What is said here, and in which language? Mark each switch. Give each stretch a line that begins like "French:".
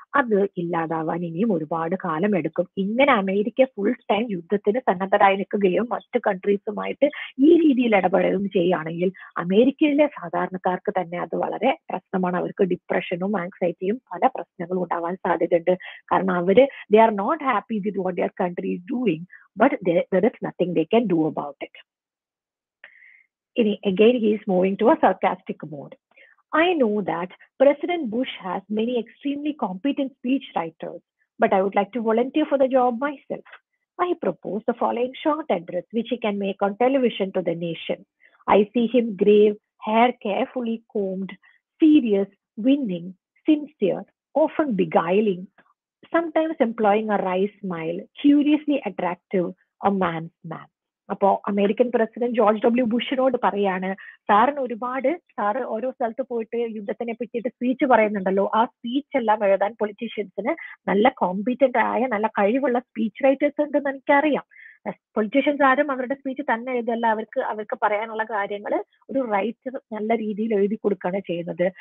Malayalam: അത് ഇല്ലാതാവാൻ ഇനിയും ഒരുപാട് കാലം എടുക്കും. ഇങ്ങനെ അമേരിക്ക ഫുൾ ടൈം യുദ്ധത്തിന് സന്നദ്ധരായി നിൽക്കുകയും മറ്റ് കൺട്രീസുമായിട്ട് ഈ രീതിയിൽ ഇടപെടുകയും ചെയ്യുകയാണെങ്കിൽ അമേരിക്കയിലെ സാധാരണക്കാർക്ക് തന്നെ അത് വളരെ പ്രശ്നമാണ്. അവർക്ക് ഡിപ്രഷനും ആങ്സൈറ്റിയും പല പ്രശ്നങ്ങളും ഉണ്ടാവാൻ സാധ്യതയുണ്ട്. കാരണം അവര്
English: They are not happy with what their country is doing, but there is nothing they can do about it. Again, he is moving to a sarcastic mode. I know that President Bush has many extremely competent speech writers, but I would like to volunteer for the job myself. I propose the following short address, which he can make on television to the nation. I see him grave, hair carefully combed, serious, winning, sincere, often beguiling, sometimes employing a wry smile, curiously attractive, a man's man.
Malayalam: അപ്പോ American president George W ബുഷിനോട് പറയാണ്, സാറിന് ഒരുപാട്, sir ഓരോ സ്ഥലത്ത് പോയിട്ട് യുദ്ധത്തിനെ പറ്റിയിട്ട് speech പറയുന്നുണ്ടല്ലോ, ആ സ്പീച്ച് എല്ലാം എഴുതാൻ പൊളിറ്റീഷ്യൻസിന് നല്ല കോമ്പീറ്റന്റ് ആയ നല്ല കഴിവുള്ള സ്പീച്ച് റൈറ്റേഴ്സ് ഉണ്ടെന്ന് എനിക്കറിയാം. പൊളിറ്റീഷ്യൻസ് ആരും അവരുടെ സ്പീച്ച് തന്നെ എഴുതല്ല, അവർക്ക് പറയാനുള്ള കാര്യങ്ങൾ ഒരു റൈറ്റർ നല്ല രീതിയിൽ എഴുതി കൊടുക്കുകയാണ് ചെയ്യുന്നത്.